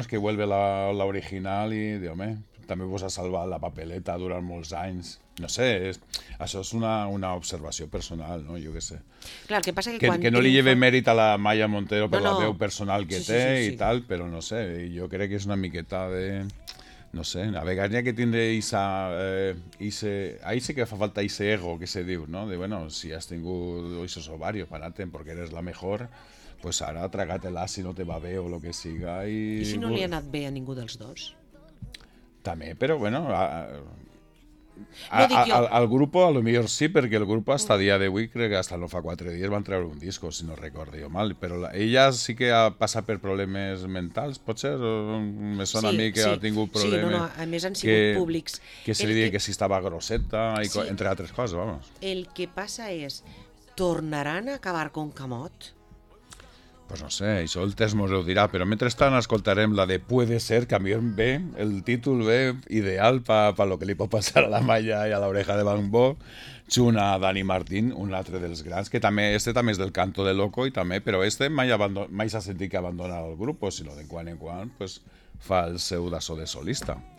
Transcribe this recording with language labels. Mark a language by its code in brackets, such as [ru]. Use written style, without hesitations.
[ca] És que vuelve la original i diu, home, també vos ha salvat la papeleta durant molts anys. No sé, això és una observació personal, no? Jo què sé. Clar, que passa que quan... Que no li lleve mèrit a la Maya Montero per la veu personal que té i tal, però no sé, jo crec que és una miqueta de... No sé, a vegades n'hi ha que tindre ixa... Ahí sí que fa falta ixe ego, que se diu, no? De, bueno, si has tingut ixos ovarios, parate, perquè [es] eres la mejor, [ca] pues ara tragatela si no te va bé o lo que siga. I si no li ha anat bé a ningú dels dos? També, però, bueno... [es] Al grupo a lo mejor sí, porque el grupo hasta día de hoy, creo que hasta [ca] no fa [es] 4 días va a entrar un disco, si no recuerdo yo mal, pero ella sí que ha pasado por problemas mentales, ¿puede ser? Me suena sí, a mí que sí. Ha tenido problemas. [ca] Sí, no, a més han sigut públics. [es] Que se le diga que si estaba groseta, y sí. Entre otras cosas, vamos. El que pasa es, ¿tornarán a acabar con Camot? [ca] Pues no sé, això el temps mos ho dirà, però mentrestant escoltarem la de Puede ser, que a mi ve el títol ve ideal pa lo que li pot passar a la Maya i a l'oreja de Van Gogh, junt a Dani Martín, un altre dels grans, que també este també és del Canto de Loco, i també, però este mai s'ha sentit que abandona el grup, sinó de quan en quan pues, fa el seu d'açò de solista.